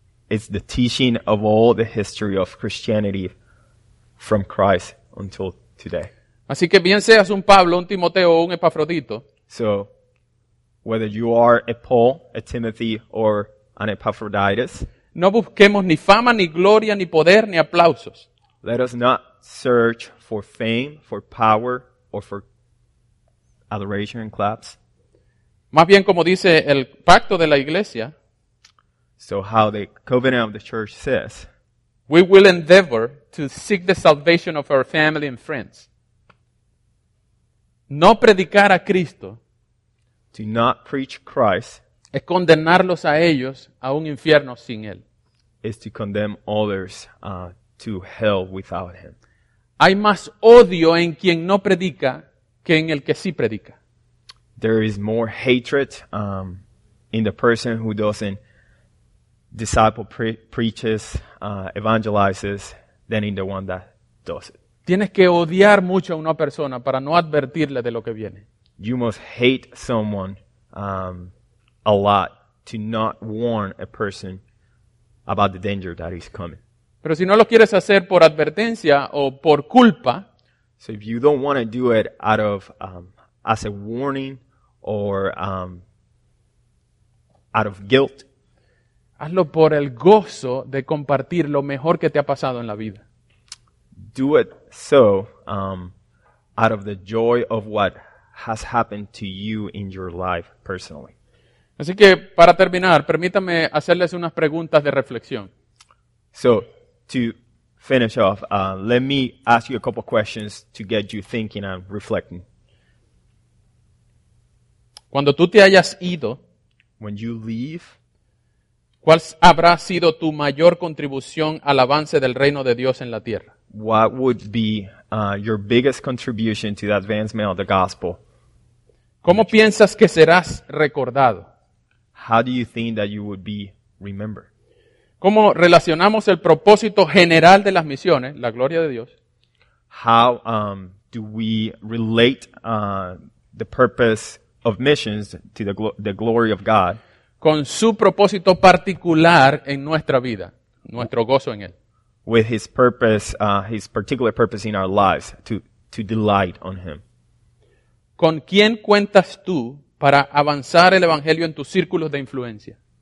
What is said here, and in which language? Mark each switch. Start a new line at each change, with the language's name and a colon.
English: It's the teaching of all the history of Christianity from Christ until today.
Spanish: Así que bien seas un Pablo, un Timoteo o un Epafrodito.
English: So, whether you are a Paul, a Timothy, or an Epaphroditus.
Spanish: No busquemos ni fama, ni gloria, ni poder, ni aplausos.
English: Let us not search for fame, for power, or for adoration and claps.
Spanish: Más bien como dice el pacto de la iglesia.
English: So how the covenant of the church says. We will endeavor to seek the salvation of our family and friends.
Spanish: No predicar a Cristo.
English: To not preach Christ.
Spanish: Es condenarlos a ellos a un infierno sin él.
English: Is to condemn others to hell without him.
Spanish: Hay más odio en quien no predica que en el que sí predica.
English: There is more hatred in the person who doesn't disciple, preaches, evangelizes, than in the one that does it.
Spanish: Tienes que odiar mucho a una persona para no advertirle de lo que viene.
English: You must hate someone a lot to not warn a person about the danger that is coming.
Spanish: Pero si no lo quieres hacer por advertencia o por culpa,
English: so if you don't want to do it out of as a warning or out of guilt,
Spanish: hazlo por el gozo de compartir lo mejor que te ha pasado en la vida.
English: Do it so out of the joy of what has happened to you in your life personally.
Spanish: Así que para terminar, permítame hacerles unas preguntas de reflexión.
English: So to finish off, let me ask you a couple questions to get you thinking and reflecting.
Spanish: Cuando tú te hayas ido,
English: when you leave,
Spanish: ¿cuál habrá sido tu mayor contribución al avance del reino de Dios en la tierra?
English: What would be your biggest contribution to the advancement of the gospel?
Spanish: ¿Cómo piensas que serás recordado?
English: How do you think that you would be remembered?
Spanish: ¿Cómo relacionamos el propósito general de las misiones, la gloria de Dios?
English: How do we relate the purpose of missions to the glory of God?
Spanish: Con su propósito particular en nuestra vida, nuestro gozo en él.
English: With his purpose, his particular purpose in our lives, to delight on him.
Spanish: ¿Con quién cuentas tú para avanzar el evangelio en tus círculos de influencia?